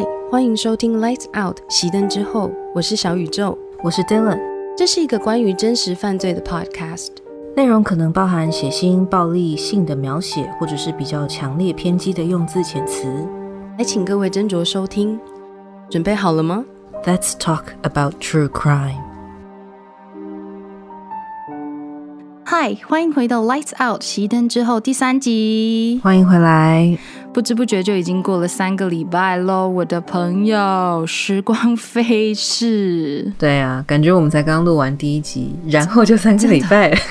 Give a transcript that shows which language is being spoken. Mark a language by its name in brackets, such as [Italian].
[Chinese] 欢迎收听 Lights Out 熄灯之后，我是小宇宙，我是 Dylan。这是一个关于真实犯罪的 podcast，内容可能包含血腥、暴力、性的描写，或者是比较强烈偏激的用字遣词，来请各位斟酌收听。准备好了吗？ [English] Let's talk about true crime。 [Chinese] Hi， 欢迎回到 Lights Out 熄灯之后第三集。欢迎回来。不知不觉就已经过了三个礼拜喽，我的朋友，时光飞逝。对啊，感觉我们才刚录完第一集，然后就三个礼拜。